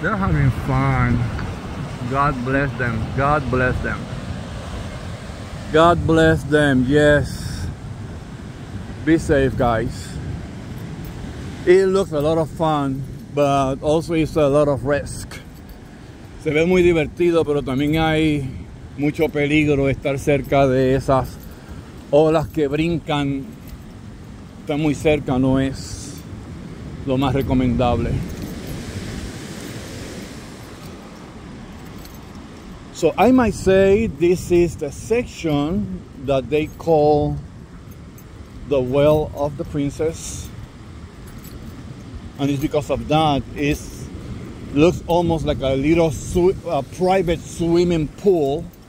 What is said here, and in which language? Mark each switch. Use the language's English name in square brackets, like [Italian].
[English] They're having fun. God bless them. God bless them. God bless them. Yes. Be safe, guys. It looks a lot of fun, but also it's a lot of risk. [Spanish] Se ve muy divertido, pero también hay mucho peligro estar cerca de esas olas que brincan. Está muy cerca, no es lo más recomendable. [English] So I might say this is the section that they call the Well of the Princess. And it's because of that, it looks almost like a little private swimming pool.